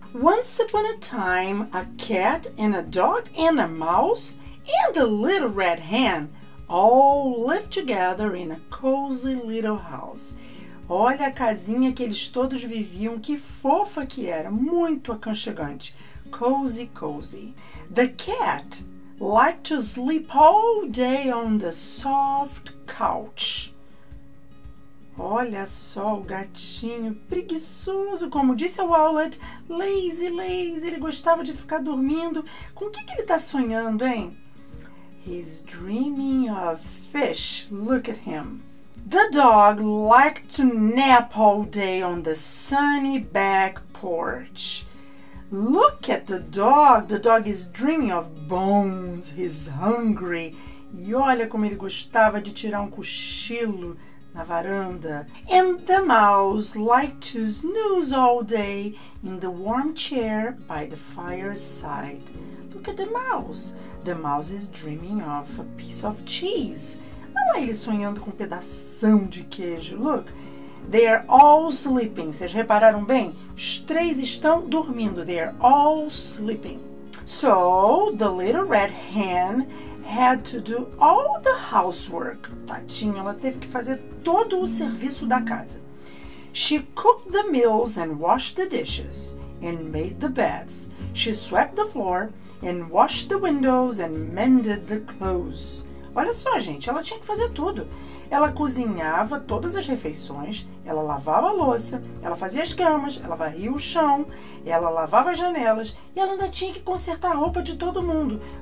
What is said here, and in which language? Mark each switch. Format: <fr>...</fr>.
<en>Once upon a time, a cat and a dog and a mouse and the little red hen all lived together in a cozy little house.</en> <pt>Olha a casinha que eles todos viviam, que fofa que era, muito aconchegante.</pt> <en>Cozy, cozy. The cat liked to sleep all day on the soft couch.</en> <pt>Olha só o gatinho, preguiçoso, como disse a Owlet,</pt> <en>lazy, lazy,</en> <pt>ele gostava de ficar dormindo. Com o que, que ele está sonhando, hein?</pt> <en>He's dreaming of fish, look at him. The dog liked to nap all day on the sunny back porch. Look at the dog is dreaming of bones, he's hungry.</en> <pt>E olha como ele gostava de tirar um cochilo na varanda.</pt> <en>And the mouse liked to snooze all day in the warm chair by the fireside. Look at the mouse. The mouse is dreaming of a piece of cheese.</en> <pt>Olha ele sonhando com um pedação de queijo.</pt> <en>Look. They are all sleeping.</en> <pt>Vocês repararam bem? Os três estão dormindo.</pt> <en>They are all sleeping. So, the little red hen had to do all the housework.</en> <pt>Tadinha, ela teve que fazer todo o serviço da casa.</pt> <en>She cooked the meals and washed the dishes and made the beds. She swept the floor and washed the windows and mended the clothes.</en> <pt>Olha só, gente, ela tinha que fazer tudo. Ela cozinhava todas as refeições, ela lavava a louça, ela fazia as camas, ela varria o chão, ela lavava as janelas e ela ainda tinha que consertar a roupa de todo mundo.</pt>